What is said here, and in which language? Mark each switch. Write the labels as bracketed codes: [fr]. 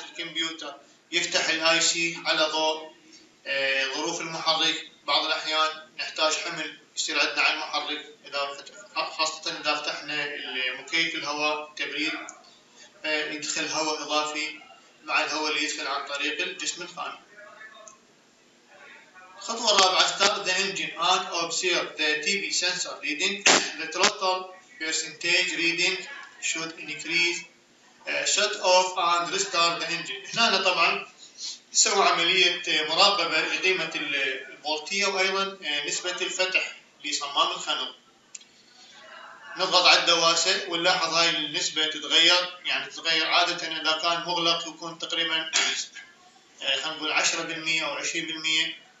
[ar] الكمبيوتر يفتح الاي سي على ضوء ظروف المحرك، بعض الاحيان نحتاج حمل يصير عندنا على المحرك اذا فتح، خاصة اذا فتحنا المكيف الهواء تبريد يدخل هواء اضافي مع الهواء اللي يدخل عن طريق الجسم الخام. الخطوة الرابعة [en] start the engine and observe the TB sensor reading. The throttle percentage reading should increase. Shut off and restart the engine. [ar] هنا طبعا نسوي عملية مراقبة لقيمة الفولتية وأيضا نسبة الفتح لصمام الخانق. نضغط على الدواسة ونلاحظ هاي النسبة تتغير، يعني تتغير عادة إذا كان مغلق يكون تقريبا خلينا نقول 10% أو 20%.